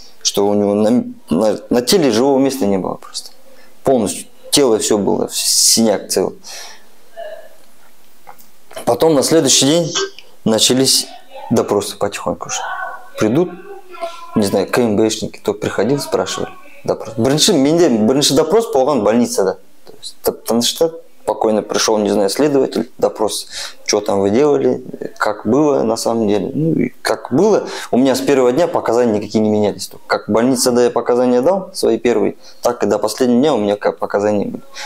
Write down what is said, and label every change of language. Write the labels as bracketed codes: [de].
[ru] Что у него на теле живого места не было просто. Полностью. Тело все было, синяк целый. Потом на следующий день начались допросы потихоньку уже. Придут. Не знаю, КМБшники, кто приходил, спрашивали. Допрос. [kk] Бірінші допрос болған больницада. [ru] То есть, Таныштат спокойно пришел, не знаю, следователь, допрос, что там вы делали, как было на самом деле. Ну, и как было, у меня с первого дня показания никакие не менялись. Только как больница, да, я показания дал, свои первые, так и до последнего дня у меня как показания были.